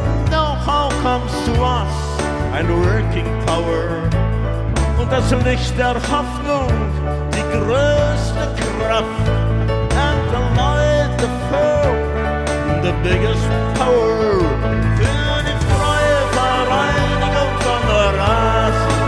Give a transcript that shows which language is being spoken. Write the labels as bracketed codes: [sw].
[en] Know-how comes to us and working power. [de] Und das Licht der Hoffnung, die größte Kraft. [en] And the light, the hope, the biggest power. [de] Für die freie Vereinigung von Rast.